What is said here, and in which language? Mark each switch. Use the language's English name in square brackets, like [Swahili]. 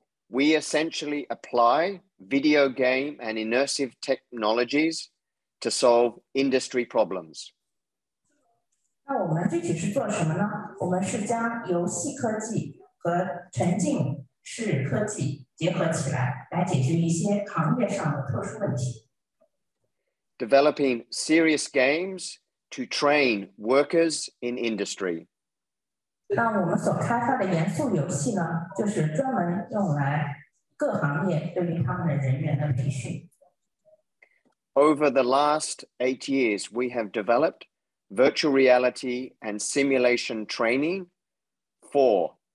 [English] We essentially apply video game and immersive technologies to solve industry problems. [Chinese] 那我们具体是做什么呢？我们是将游戏科技和沉浸式科技结合起来，来解决一些行业上的特殊问题。 [English] Developing serious games to train workers in industry. [Chinese] 那我们所开发的严肃游戏呢，就是专门用来各行业对于他们的人员的培训。 [English] Over the last 8 years, we have developed virtual reality and simulation training for.